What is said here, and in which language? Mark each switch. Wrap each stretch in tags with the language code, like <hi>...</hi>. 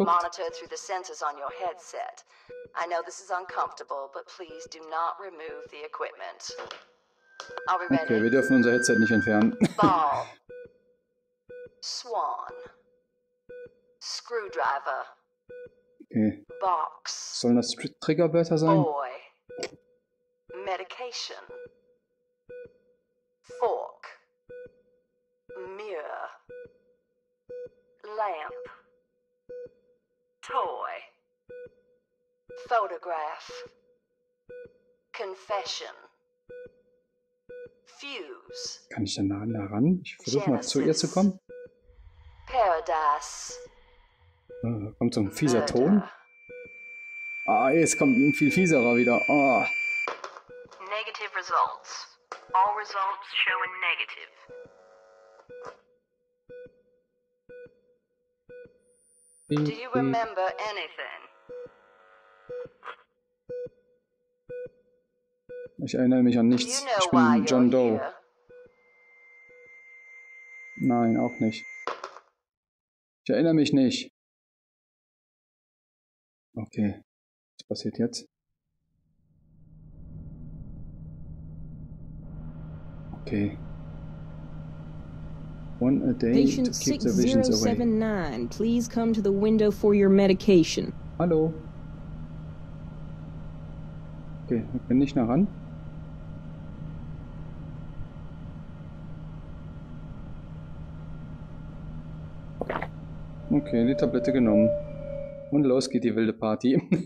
<en>Your progress will be monitored through the sensors on your headset. I know this is uncomfortable, but please do not remove the equipment. Are we ready?</en> <de>Okay, wir dürfen unser Headset nicht entfernen.</de> <en>Swan. Screwdriver. Okay. Box.</en> <de>Sollen das Triggerwörter sein?</de> <en>Boy. Medication. Fork. Mirror. Lamp. Toy. Photograph. Confession. Fuse.</en> <de>Kann ich den Namen da ran? Ich versuche mal zu ihr zu kommen.</de> <en>Paradise.</en> <de>Kommt so ein fieser Ton. Ah, jetzt kommt ein viel fieserer wieder. Oh.</de> <en>Negative results. All results show a negative. Do you remember anything?</en> <de>Ich erinnere mich an nichts. Ich bin John Doe. Nein, auch nicht. Ich erinnere mich nicht. Okay. Was passiert jetzt? Okay.</de> <en>One a day patient to keep the visions away. 6079, please come to the window for your medication.</en> <de>Hallo. Okay, wir können nicht nach ran. Okay, die Tablette genommen. Und los geht die wilde Party.</de>